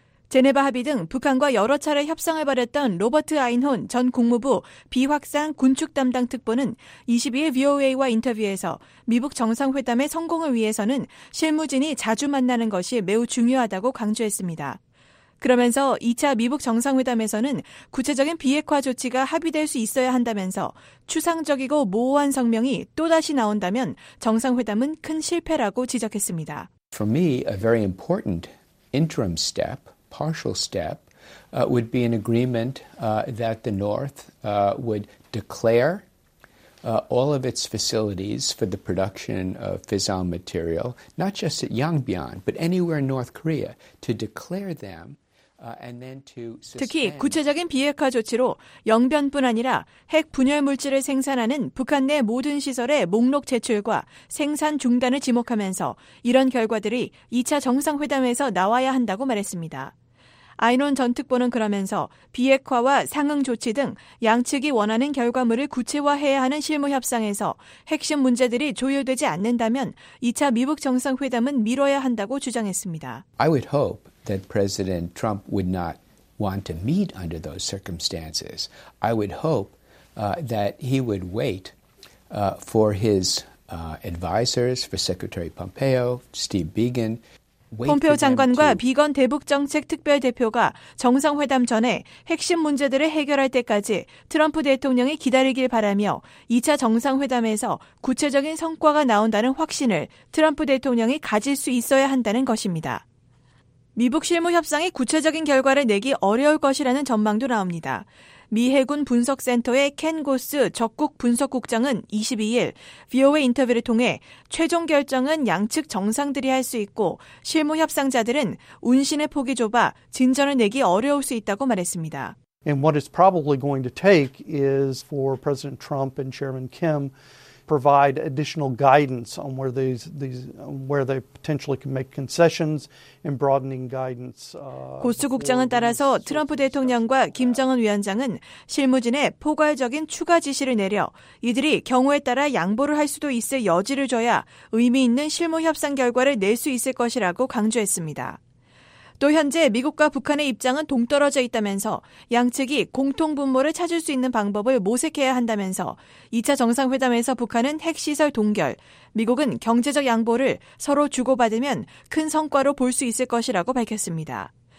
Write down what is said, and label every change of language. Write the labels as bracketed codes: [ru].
[ko] 제네바 합의 등 북한과 여러 차례 협상을 벌였던 로버트 아인혼 전 국무부 비확산 군축 담당 특보는 22일 VOA와 인터뷰에서 미북 정상회담의 성공을 위해서는 실무진이 자주 만나는 것이 매우 중요하다고 강조했습니다. 그러면서 2차 미북 정상회담에서는 구체적인 비핵화 조치가 합의될 수 있어야 한다면서 추상적이고 모호한 성명이 또다시 나온다면 정상회담은 큰 실패라고 지적했습니다. [en] For me, a very important interim step, partial step, would be an agreement that the North would declare all of its facilities for the production of fissile material, not just at Yongbyon, but anywhere in North Korea, to declare them. [ko] 특히 구체적인 비핵화 조치로 영변뿐 아니라 핵 분열 물질을 생산하는 북한 내 모든 시설의 목록 제출과 생산 중단을 지목하면서 이런 결과들이 2차 정상회담에서 나와야 한다고 말했습니다. 아인혼 전 특보는 그러면서 비핵화와 상응 조치 등 양측이 원하는 결과물을 구체화해야 하는 실무 협상에서 핵심 문제들이 조율되지 않는다면 2차 미북 정상회담은 미뤄야 한다고 주장했습니다. [en] I would hope that President Trump would not want to meet under those circumstances. I would hope that he would wait for his advisors, for Secretary Pompeo, Steve Biegun. [ko] 폼페오 장관과 비건 대북정책특별대표가 정상회담 전에 핵심 문제들을 해결할 때까지 트럼프 대통령이 기다리길 바라며 2차 정상회담에서 구체적인 성과가 나온다는 확신을 트럼프 대통령이 가질 수 있어야 한다는 것입니다. 미북 실무 협상이 구체적인 결과를 내기 어려울 것이라는 전망도 나옵니다. 미 해군 분석센터의 켄 고스 적국 분석국장은 22일 VOA 인터뷰를 통해 최종 결정은 양측 정상들이 할 수 있고 실무 협상자들은 운신의 폭이 좁아 진전을 내기 어려울 수 있다고 말했습니다. [en] And what it's probably going to take is for President Trump and Chairman Kim provide additional guidance on where where they potentially can make concessions and broadening guidance. [ko] 고스 국장은 따라서 트럼프 대통령과 김정은 위원장은 실무진에 포괄적인 추가 지시를 내려 이들이 경우에 따라 양보를 할 수도 있을 여지를 줘야 의미 있는 실무 협상 결과를 낼 수 있을 것이라고 강조했습니다. 또 현재 미국과 북한의 입장은 동떨어져 있다면서 양측이 공통 분모를 찾을 수 있는 방법을 모색해야 한다면서 2차 정상회담에서 북한은 핵시설 동결, 미국은 경제적 양보를 서로 주고받으면 큰 성과로 볼 수 있을 것이라고 밝혔습니다.